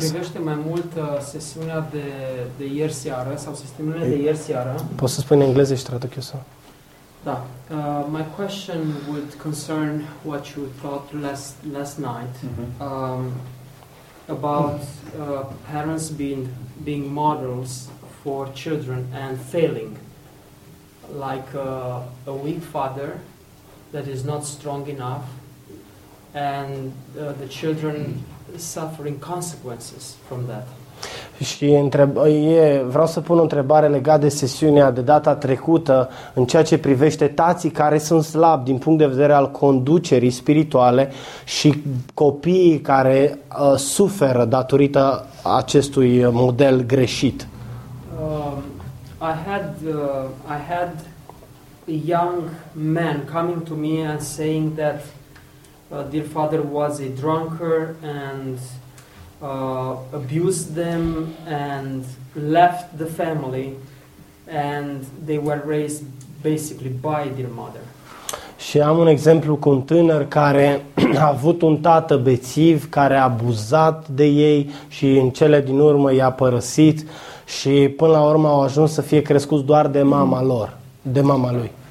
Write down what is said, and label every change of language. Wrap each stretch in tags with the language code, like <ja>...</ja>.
<ro>Privește mai mult sesiunea de ieri seară sau sesiunile de ieri seară. Poți să spui în engleză și traduc eu sau? Da.</ro> <en>My question would concern what you thought last night about parents being models for children and failing, like a weak father that is not strong enough, and the children suffering consequences from that.</en> <ro>Și vreau să pun o întrebare legată de sesiunea de data trecută în ceea ce privește tații care sunt slabi din punct de vedere al conducerii spirituale și copiii care suferă datorită acestui model greșit.</ro> <en>I had a young man coming to me and saying that dear father was a drunker and abused them and left the family, and they were raised basically by their mother.</en> <ro>Și am un exemplu cu un tânăr care a avut un tată bețiv care a abuzat de ei și în cele din urmă i-a părăsit și până la urmă au ajuns să fie crescuți doar de mama lor, de mama lui.</ro>